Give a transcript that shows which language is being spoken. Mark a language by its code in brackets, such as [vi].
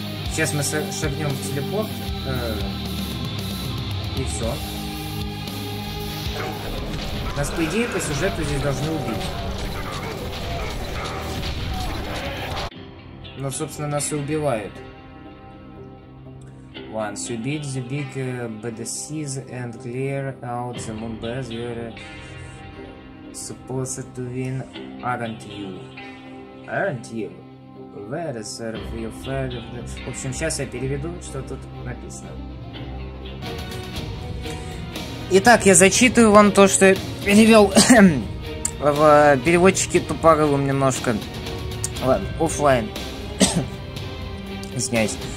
[ru] Сейчас мы шагнем в телепорт. И все. Нас, по идее, по сюжету здесь должны убить. Но, собственно, нас и убивают. [en] Once you beat the big bad seas and clear out the moon base, you're supposed to win, aren't you? Aren't you? Where is your father? [ru] В общем, сейчас я переведу, что тут написано. Итак, я зачитываю вам то, что я перевел в переводчике тупорылым немножко. Ладно, офлайн. Извиняюсь.